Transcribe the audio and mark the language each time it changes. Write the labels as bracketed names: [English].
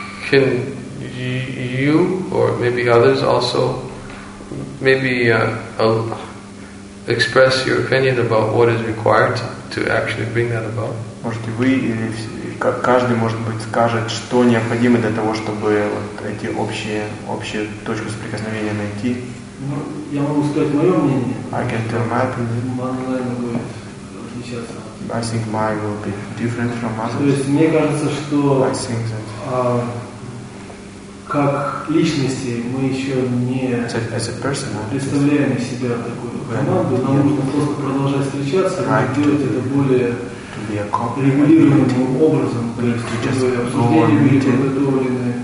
[English] Can you or maybe others also maybe express your opinion about what is required to actually bring that about? [Russian] Можете вы или каждый, может быть, скажет, что необходимо для того, чтобы вот эти общие точку соприкосновения найти? Ну, я могу сказать мое мнение. [English] I can tell my opinion. [Russian] Наверное, будет отличаться. [English] I think mine will be different from others. [Russian] То есть мне кажется, что как личности мы еще не представляем себя такую команду. Нам нужно просто продолжать встречаться и делать это более регулируемым образом, то есть чтобы обсуждения были подготовлены.